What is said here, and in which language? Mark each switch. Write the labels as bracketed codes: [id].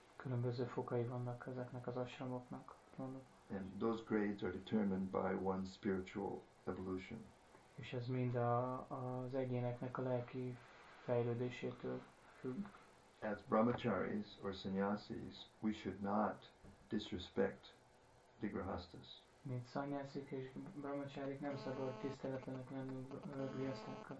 [hu] Különböző fokai vannak ezeknek az ashramoknak. [en] And those grades are determined by one's spiritual evolution. [hu] És ez mind az egyéneknek a lelki fejlődésétől függ. [en] As brahmacharis or sannyasis, we should not disrespect the grahasthas. [hu] Mint szanyászik és brahmacharik nem szabad tiszteletlenek lenni a griasztákkal.